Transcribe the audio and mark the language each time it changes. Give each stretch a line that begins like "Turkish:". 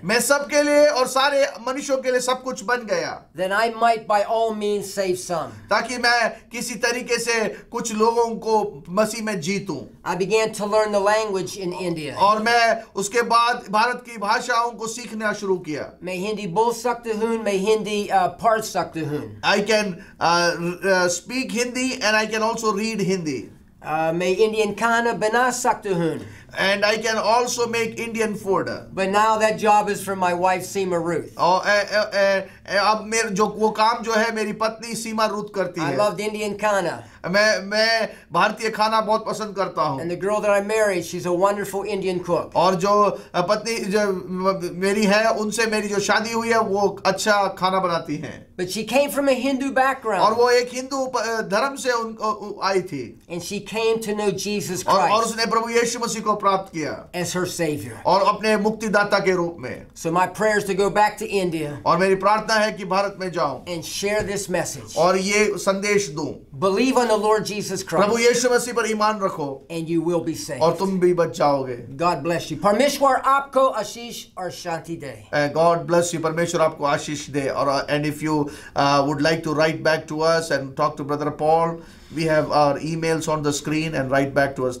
Hindi: मैं सबके लिए और सारे मनुष्यों के लिए सब कुछ बन गया.
English: Then I might by all means save some.
Hindi: ताकि मैं किसी तरीके से कुछ लोगों को मसीह में जीतूं.
English: I began to learn the language in India.
Hindi: और मैं उसके बाद भारत की भाषाओं को सीखना शुरू किया. मैं हिंदी बोल सकते हूँ, मैं हिंदी पढ़ सकते हूँ.
English: I can speak Hindi and I can also read Hindi.
Hindi: मैं इंडियन खाना बना सकते हूँ.
English: And I can also make Indian food. But now that job is for my wife, Seema Ruth.
Hindi: अब मेरे जो वो काम जो है मेरी पत्नी सीमा रूथ करती है.
English: I loved Indian khana.
Hindi: मैं भारतीय खाना बहुत पसंद करता हूँ.
English: And the girl that I married, she's a wonderful Indian cook.
Hindi: और जो पत्नी जो मेरी है उनसे मेरी जो शादी हुई है वो अच्छा खाना बनाती हैं.
English: But she came from a Hindu background.
Hindi: और वो एक हिंदू धर्म से आई थी.
English: And she came to know Jesus Christ.
Hindi: और उसने प्रभु यीशु मसीह को प्राप्त किया.
English: As her savior.
Hindi: और अपने मुक्तिदाता के रूप में.
English: So my prayer is to go back to India.
Hindi: और मेरी प्रार्थना है कि भारत में जाऊं.
English: And share this message.
Hindi: और ये संदेश दूं.
English: Believe on the Lord Jesus Christ.
Hindi: प्रभु यीशु मसीह पर ईमान रखो.
English: And you will be saved.
Hindi: और तुम भी बच जाओगे.
English: God bless you.
Hindi: परमेश्वर आपको आशीष और शांति दे.
English: God bless you.
Hindi: परमेश्वर आपको आशीष दे.
English: और and if you would like to write back to us and talk to Brother Paul, we have our emails on the screen and write back to us.